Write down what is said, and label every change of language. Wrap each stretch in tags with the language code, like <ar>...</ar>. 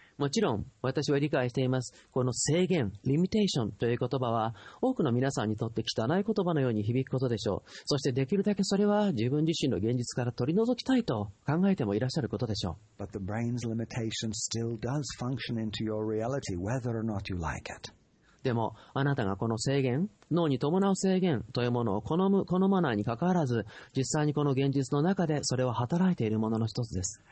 <ja>もちろん私は理解しています。この制限、リミテーションという言葉は多くの皆さんにとって汚い言葉のように響くことでしょう。そしてできるだけそれは自分自身の現実から取り除きたいと考えてもいらっしゃることでしょう。</ja> <en>But the brain's limitation still does function into your reality whether or not you like it.</en> <ja>でもあなたがこの制限、脳に伴う制限というものを好む好まないにかかわらず、実際にこの現実の中でそれは働いているものの一つです。</ja>